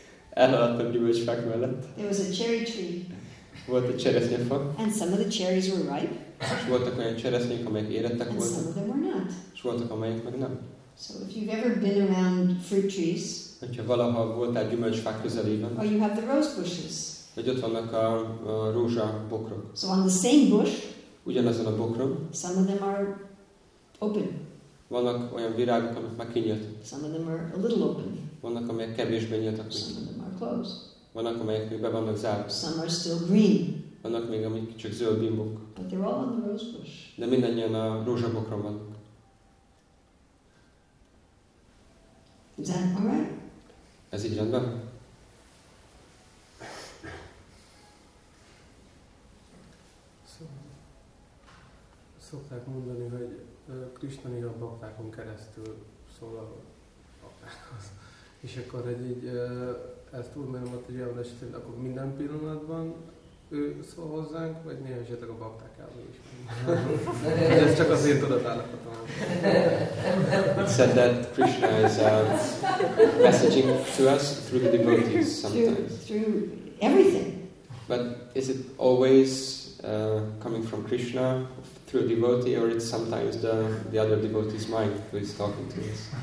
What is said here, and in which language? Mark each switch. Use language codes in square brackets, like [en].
[hu] Elhaladtam gyümölcsfák mellett. [en] There was a cherry tree. [hu] Volt egy cseresznyefa. [en] And some of the cherries were ripe. [hu] És voltak olyan cseresznyék, amelyek érettek voltak. [en] And some of them were not. [hu] És voltak, amelyek meg nem. [en] So if you've ever been around fruit trees, [hu] hogyha valaha voltál gyümölcsfák közelében, [en] or you have the rose bushes, [hu] vagy ott vannak a rózsa bokrok. [en] So on the same bush, [hu] ugyanazon a bokron, [en] some of them are open. [hu] Vannak olyan virágok, amik már kinyílt. [en] Some of them are a little open. [hu] Vannak, amelyek kevésbé nyíltak. [en] Some of them are closed. [hu] Vannak, amelyek még be vannak zárva. [en] Some are still green. [hu] Vannak még, amik csak zöld bimbók. [en] But they're all on the rose bush. [hu] De mindannyian a rózsa bokron vannak. [en] Is that all right? [hu] Ez így rendben? Szokták mondani, hogy Krisna néha a baktákon keresztül szól a baktákhoz. És akkor egy ezt úgy mondom, hogy ilyen esetén, akkor minden pillanatban ő szól hozzánk, vagy néha esetleg a bakták elvég is. Ez csak az én tudatállapotom. [en] It said that Krishna is messaging to us through the devotees sometimes. Through everything. But is it always coming from Krishna? Through a devotee, or it's sometimes the other devotee's mind who is talking to us.